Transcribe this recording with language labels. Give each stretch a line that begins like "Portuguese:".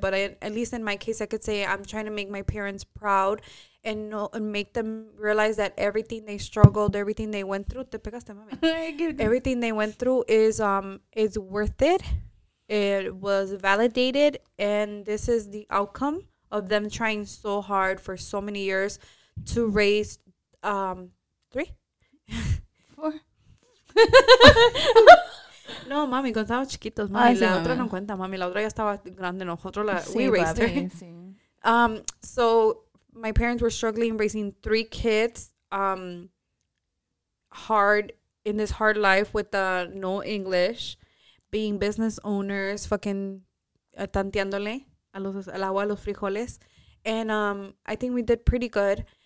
English: But at least in my case, I could say I'm trying to make my parents proud and make them realize that everything they struggled, everything they went through,
Spanish: te pegaste, mami.
English: Everything they went through is worth it. It was validated. And this is the outcome of them trying so hard for so many years to raise three? Four.
Spanish: No, mami, cuando estaba chiquitos, mami, ay, la sí, otra mami. No cuenta, mami, la otra ya estaba grande, nosotros la, sí,
English: we raised her. So, my parents were struggling raising three kids, hard, in this hard life with no English, being business owners, fucking
Spanish: tanteándole al agua a los frijoles,
English: and I think we did pretty good.